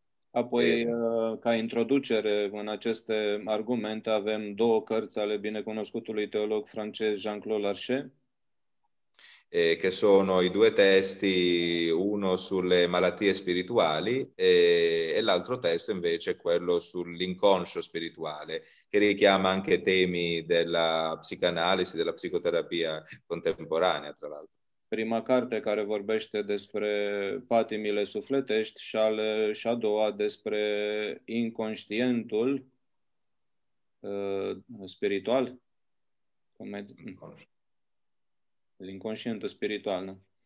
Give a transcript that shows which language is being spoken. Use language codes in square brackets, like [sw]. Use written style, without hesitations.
[ro] Apoi, ca introducere în aceste argumente, avem două cărți ale binecunoscutului teolog francez Jean-Claude Larcher. [it] Che sono i due testi, uno sulle malattie spirituali e l'altro testo invece è quello sull'inconscio spirituale, che richiama anche temi della psicanalisi, della psicoterapia contemporanea, tra l'altro. [ro] Prima carte care vorbește despre patimile sufletești și a doua despre inconștientul spiritual. L'inconscient spiritual, nu?